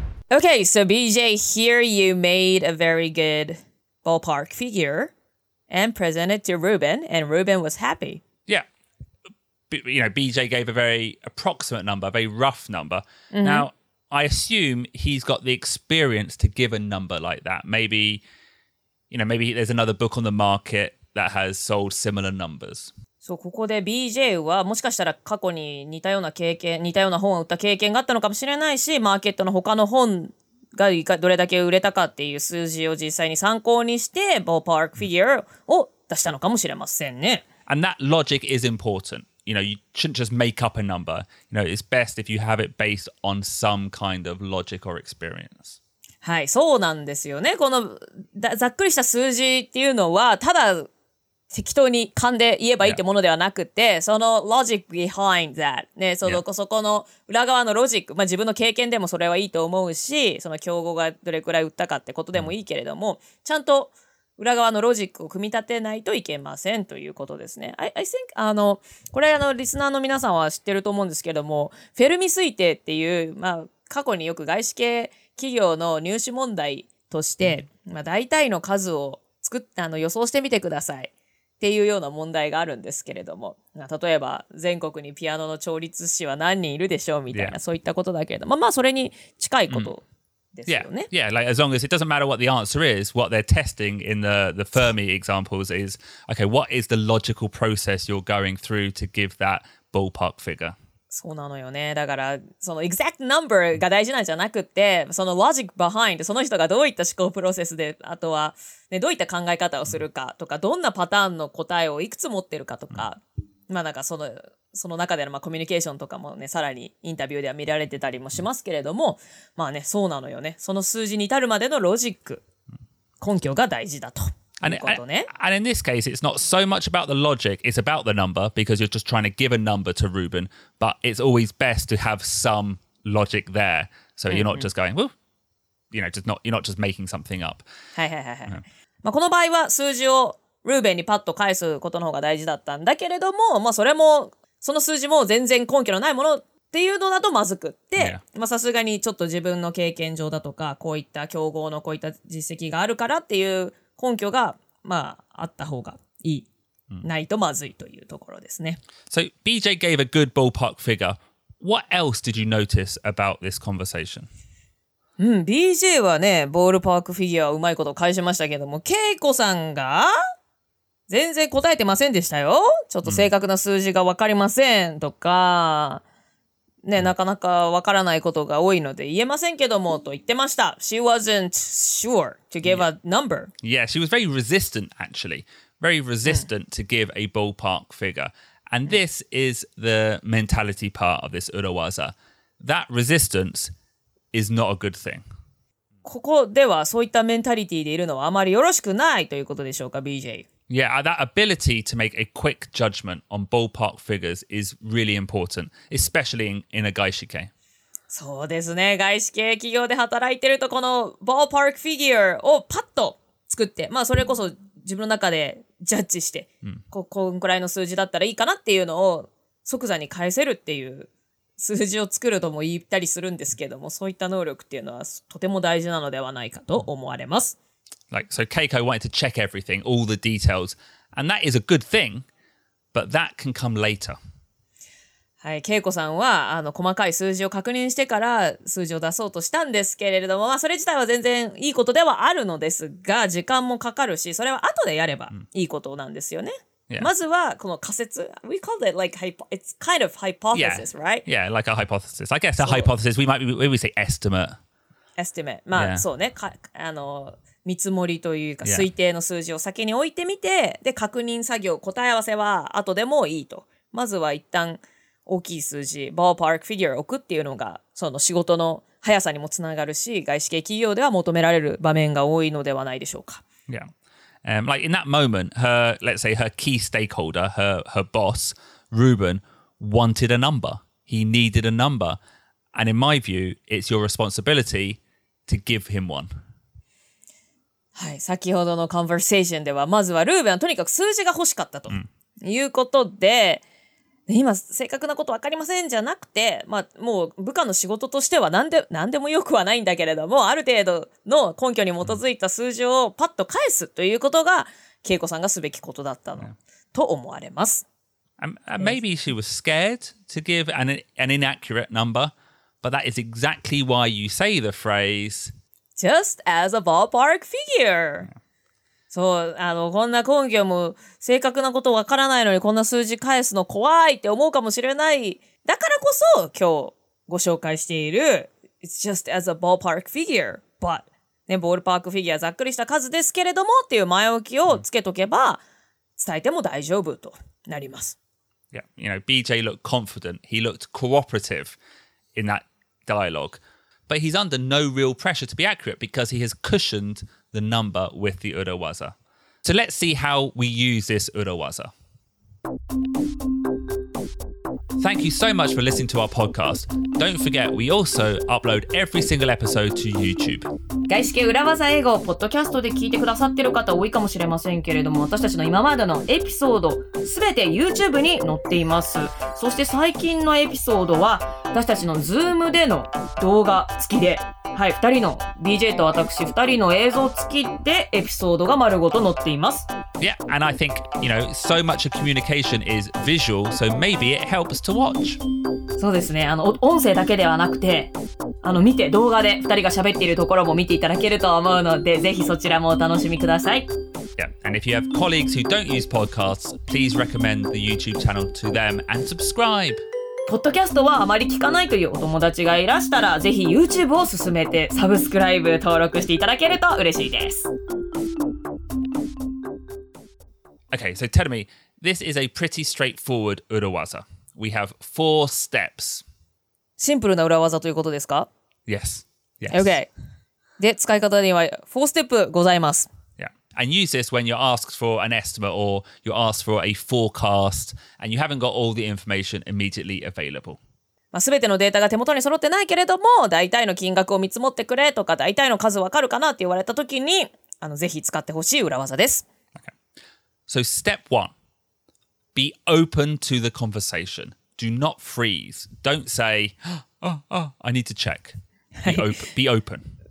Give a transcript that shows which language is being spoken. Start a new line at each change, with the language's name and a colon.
English: Okay, so BJ, here you made a very good ballpark figure and presented to Ruben, and Ruben was happy. Yeah. You know, BJ gave a very approximate number, a very rough number. Mm-hmm. Now, I assume he's got the experience to give a number like that. Maybe, you know, maybe there's another book on the market that has sold similar numbers.
Japanese: So, ここで BJ はもしかしたら過去に似たような経験、似たような本を売った経験があったのかもしれないし、マーケットの他の本がどれだけ売れたかっていう数字を実際に参考にして、ballpark figure を出したのかもしれませんね。
English: And that logic is important. You know, you shouldn't just make up a number. You know, it's best if you have it based on some kind of logic or experience.
Japanese: はい、そうなんですよね。このざっくりした数字っていうのは、ただ適当に勘で言えばいいってものではなくて、その
English: logic behind that。
Japanese: ね、その、yeah. そこの裏側のロジック、まあ自分の経験でもそれはいいと思うし、その競合がどれくらい売ったかってことでもいいけれども、mm. ちゃんと裏側のロジックを組み立てないといけませんということですね。
English: I think
Japanese: あのこれあのリスナーの皆さんは知ってると思うんですけども、フェルミ推定っていう、まあ、過去によく外資系企業の入試問題として、まあ、大体の数を作っあの予想してみてくださいっていうような問題があるんですけれども、まあ、例えば全国にピアノの調律師は何人いるでしょうみたいな、yeah. そういったことだけれども、まあそれに近いこと、mm.
English: Yeah, yeah, like as long as it doesn't matter what the answer is, what they're testing in the Fermi examples is, okay, what is the logical process you're going through to give that ballpark figure?
Japanese: そうなのよね。だから、その
English: exact number
Japanese: が大事なんじゃなくて、その
English: logic behind、
Japanese: その人がどういった思考プロセスで、あとは、ね、どういった考え方をするかとか、どんなパターンの答えをいくつ持ってるかとか、まあなんかその、その中でのまあコミュニケーションとかもね、さらにインタビューでは見られてたりもしますけれども、まあね、そうなのよね。その数字に至るまでのロジック、根拠が大事だということね。
English: And in this case, it's not so much about the logic, it's about the number, because you're just trying to give a number to Ruben, but it's always best to have some logic there. So you're not just going, well, you know, just not, you're not just making something up.
Japanese: はいはいはいはい。まあこの場合は数字をルーベンにパッと返すことの方が大事だったんだけれども、まあそれも、その数字も全然根拠のないものっていうのだとまずくって、yeah. まあさすがにちょっと自分の経験上だとか、こういった競合のこういった実績があるからっていう根拠が、まああった方がいい。ないとまずいというところですね。
English: So, BJ gave a good ballpark figure. What else did you notice about this conversation?
Japanese: うん、BJ はね、ボールパークフィギュアをうまいこと返しましたけども、ケイコさんが全然答えてませんでしたよ。ちょっと正確な数字が分かりませんとか、ね、なかなか分からないことが多いので言えませんけどもと言ってました。
English: She wasn't sure to give a number. Yeah, she was very resistant actually. Very resistant to give a ballpark figure. And this is the mentality part of this urawaza. That resistance is not a good thing.
Japanese: ここではそういったメンタリティでいるのはあまりよろしくないということでしょうか、BJ?
English: Yeah, that ability to make a quick judgment on ballpark figures is really important, especially in a 外資系.
Japanese: そうですね。外資系企業で働いてると、この ballpark figure をパッと作って、まあそれこそ自分の中でジャッジして、こんくらいの数字だったらいいかなっていうのを即座に返せるっていう数字を作るとも言ったりするんですけども、そういった能力っていうのはとても大事なのではないかと思われます。
English: Like, so Keiko wanted to check everything, all the details. And that is a good thing, but that can come later.
Japanese: はい、Keiko さんは、あの、細かい数字を確認してから数字を出そうとしたんですけれども、まあ、それ自体は全然いいことではあるのですが、時間もかかるし、それは後でやればいいことなんですよね。 Yeah. まずは、この仮説。
English: We call it like, it's kind of hypothesis, right? Yeah, like a hypothesis. I guess a hypothesis, we might be, we would say estimate.
Japanese: Estimate. まあ、そうね。見積もりというか推定の数字を先に置いてみて、yeah. で確認作業答え合わせは後でもいいと、まずは一旦大きい数字 ballpark figure 置くっていうのがその仕事の速さにもつながるし、外資系企業では求められる場面が多いのではないでしょうか。
English: Yeah, like in that moment, her, let's say her key stakeholder, her boss, Ruben, wanted a number. He needed a number. And in my view, it's your responsibility to give him one.
Japanese: はい、先ほどのコンバーセーションではまずはルーベンはとにかく数字が欲しかったと、うん、いうことで、今正確なこと分かりませんじゃなくて、まあもう部下の仕事としては何でもよくはないんだけれども、ある程度の根拠に基づいた数字をパッと返すということが恵子さんがすべきことだったの、うん、と思われます。
English: Maybe she was scared to give an inaccurate number, but that is exactly why you say the phrase just as a ballpark figure.
Japanese: そう、あの、こんな根拠も正確なことわからないのにこんな数字返すの怖いって思うかもしれない。だからこそ今日ご紹介している
English: it's just as a ballpark figure, but
Japanese: ね、ボールパークフィギュアざっくりした数ですけれどもっていう前置きをつけとけば伝えても大丈夫と。なります。
English: Yeah, you know, BJ looked confident. He looked cooperative in that dialogue. But he's under no real pressure to be accurate because he has cushioned the number with the urawaza. So let's see how we use this urawaza. Thank you so much for listening to our podcast. Don't forget, we also upload every single episode to YouTube.
Japanese: 外資系裏技英語をポッドキャストで聞いてくださってる方多いかもしれませんけれども、私たちの今までのエピソードすべて YouTube に載っています。そして最近のエピソードは私たちの Zoom での動画付きで、はい、2人の BJ と私2人の映像付きでエピソードが丸ごと載っています。
English: Yeah, and I think, you know, so much of communication is visual, so maybe it helps to watch.
Japanese: そうですね、あの音声だけではなくて、あの見て動画で2人が喋っているところも見ていただけると思うので、ぜひそちらもお楽しみください。
English: Yeah, and if you have colleagues who don't use podcasts, please recommend the YouTube channel to them and subscribe.
Japanese: ポッドキャストはあまり聞かないというお友達がいらしたら、ぜひ YouTube を勧めてサブスクライブ登録していただけると嬉しいです。
English: Okay, so tell me, this is a pretty straightforward urawaza. We have four steps.
Japanese: シンプルな裏技ということですか?
English: Yes. Yes. Okay.
Japanese: で、使い方には4ステップございます。
English: Yeah. And use this when you're asked for an estimate or you're asked for a forecast and you haven't got all the information immediately available.
Japanese: まあ、全てのデータが手元に揃ってないけれども、大体の金額を見積もってくれとか、大体の数わかるかなって言われた時に、あの、ぜひ使ってほしい裏技です。
English: Okay. So step one. Be open to the conversation. Do not freeze. Don't say, oh, I need to check. Be open.